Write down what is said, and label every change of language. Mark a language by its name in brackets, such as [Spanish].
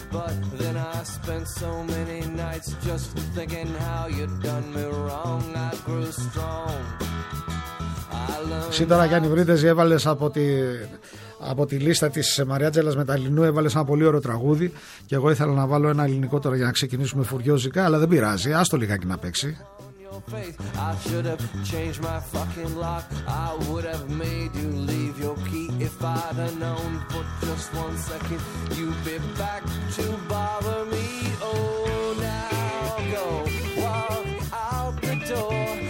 [English] But then I spent so many nights just thinking how you'd done me wrong. I grew strong. [Greek] Σύντομα, Γιάννη Βρύτεζη, έβαλες από τη λίστα της Μαριά Τζέλας Μεταλλινού, έβαλες ένα πολύ ωραίο τραγούδι και εγώ ήθελα να βάλω ένα ελληνικό τώρα για να ξεκινήσουμε φουριόζικα, αλλά δεν πειράζει, ας το λιγάκι να παίξει. [English] I should have changed my fucking lock. I would have made you leave your key if I'd have known for just one second you'd be back to bother me. Oh, now go walk out the door.